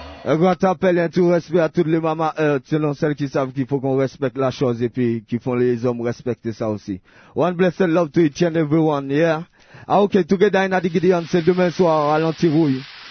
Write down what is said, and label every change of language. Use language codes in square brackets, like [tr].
[fr] Un grand appel et un tout respect à toutes les mamas, selon celles qui savent qu'il faut qu'on respecte la chose et puis qui font les hommes respecter ça aussi. [en] One blessed love to each and everyone, yeah? Ah, okay, together in Adigideon, [fr] c'est demain soir à l'Antirouille.